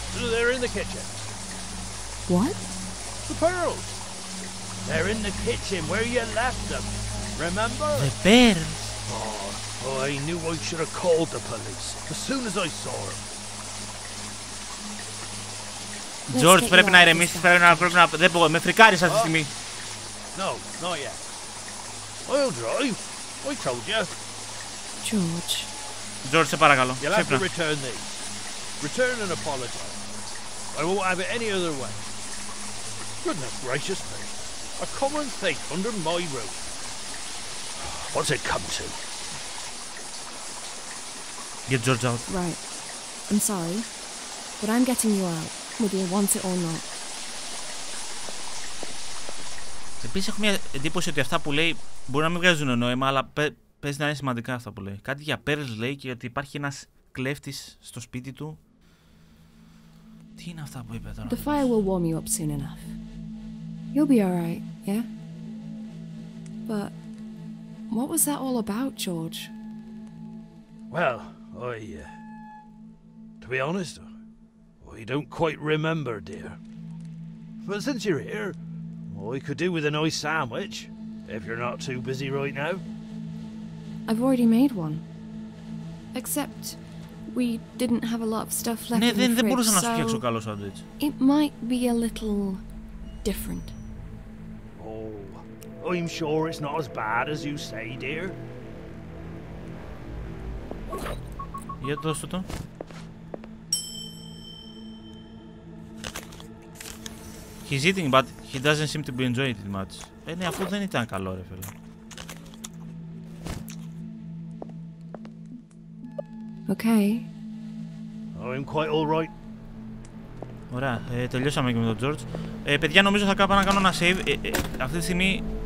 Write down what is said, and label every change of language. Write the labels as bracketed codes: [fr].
[en] They're in the kitchen. What? The pearls. They're in the kitchen where you left them. Remember? The pearls. Oh, I knew I should have called the police as soon as I saw him. [el] George, πρέπει να ηρεμήσεις, πρέπει να... Δεν μπορώ, με φρικάρεις αυτή τη στιγμή. [en] No, not yet. I'll drive. I told you. George, [el] σε παρακαλώ. [en] You'll have to return these. Return and apologize. I won't have it any other way. Goodness gracious me. A common thief under my roof. What's it come to? Get George out. Right. I'm sorry, but I'm getting you out, whether you want it or not. [el] Επίσης έχω μια εντύπωση ότι αυτά που λέει Μπορεί να μην βγάζουν νόημα, αλλά παίζει να είναι σημαντικά αυτά που λέει. Κάτι για Pearls λέει και ότι υπάρχει ένας κλέφτης στο σπίτι του. Τι είναι αυτά που είπε τώρα. [en] The fire will warm you up soon enough. You'll be alright, yeah? But what was that all about, George? Well, to be honest, I don't quite remember, dear. But since you're here, I could do with a nice sandwich, if you're not too busy right now. I've already made one. Except we didn't have a lot of stuff left [el] ναι, [en] in the fridge, [el] δεν μπορούσα [en] so [el] να φτιάξω καλό σάντουιτς. [en] It might be a little different. Oh, I'm sure it's not as bad as you say, dear. [el] Για δώστε το. [en] He's eating, but he doesn't seem to be enjoying it much. [el] Ναι, αφού δεν ήταν καλό, ρε φίλε. [en] Okay. I'm quite all right. [el] Ωραία, τελειώσαμε και με τον George. Παιδιά, νομίζω θα πάω να κάνω ένα save. Αυτή τη στιγμή...